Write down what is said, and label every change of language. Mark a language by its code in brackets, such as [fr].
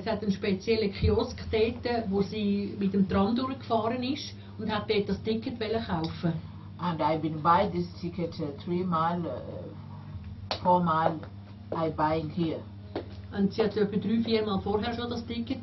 [de] Sie hat einen speziellen Kiosk dort, wo sie mit dem Tram durchgefahren ist und hat dort das Ticket wollen kaufen. [en] And I've been buying this ticket four mal, I buying here. [de] Und sie hat etwa drei, vier Mal vorher schon das Ticket